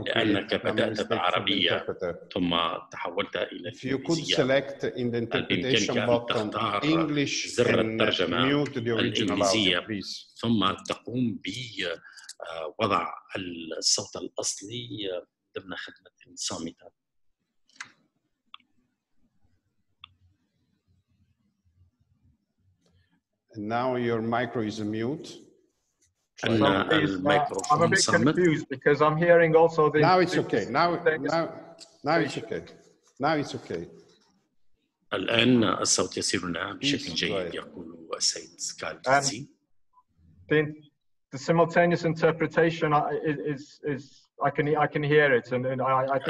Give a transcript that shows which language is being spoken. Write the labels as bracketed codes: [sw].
[en] If you could select in the interpretation button English and mute the original audio, please. [ar] ثم تقوم بوضع الصوت الأصلي ضمن خدمة صامتة. [en] Now your micro is mute. I'm a bit confused because I'm hearing also the. Now it's okay. Now it's okay. Now it's okay. [ar] الآن الصوت يصيرنا بشكل جيد. يقول السيد سكالتسي. [en] The simultaneous interpretation is I can hear it and I think.